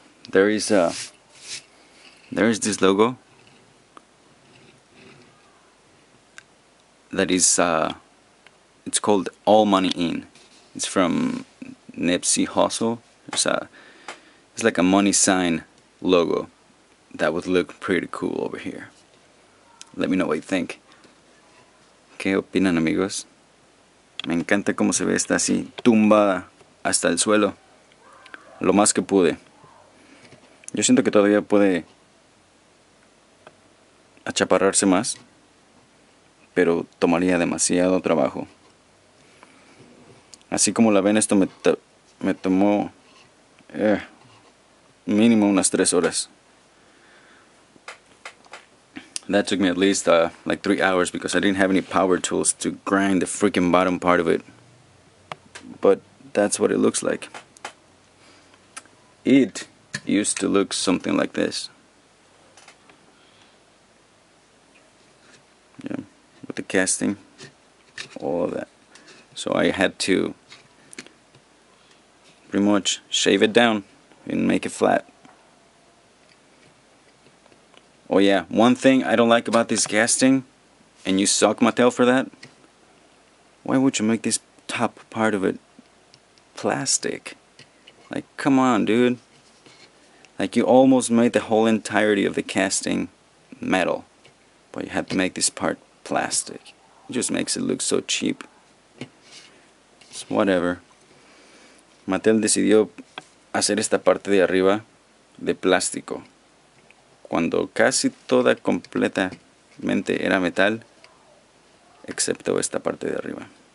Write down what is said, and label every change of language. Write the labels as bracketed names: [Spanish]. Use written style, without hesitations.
[English] There is this logo that is, it's called All Money In. It's from Nipsey Hussle. It's like a money sign logo that would look pretty cool over here. Let me know what you think. [Spanish] ¿Qué opinan, amigos? Me encanta cómo se ve esta así, tumbada hasta el suelo. Lo más que pude. Yo siento que todavía puede achaparrarse más. Pero tomaría demasiado trabajo. Así como la ven, esto me tomó mínimo unas 3 horas. [English] That took me at least like 3 hours because I didn't have any power tools to grind the freaking bottom part of it. But that's what it looks like. It used to look something like this. The casting, all of that. So I had to pretty much shave it down and make it flat. Oh yeah, one thing I don't like about this casting, and you suck, Mattel, for that. Why would you make this top part of it plastic? Like, come on, dude. Like, you almost made the whole entirety of the casting metal, but you had to make this part plastic. It just makes it look so cheap. So whatever. [Spanish] Mattel decidió hacer esta parte de arriba de plástico. Cuando casi toda completamente era metal, excepto esta parte de arriba.